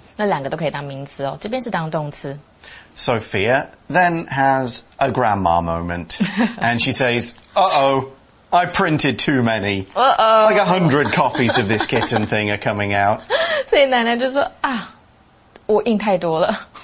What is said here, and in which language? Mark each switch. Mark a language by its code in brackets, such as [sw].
[zh] 那两个都可以当名词哦，这边是当动词。 [en] Sophia then has a grandma moment, and she says, "Uh-oh, I printed too many. Uh-oh, like 100 copies of this kitten thing are coming out." [zh] 所以奶奶就说啊，我印太多了。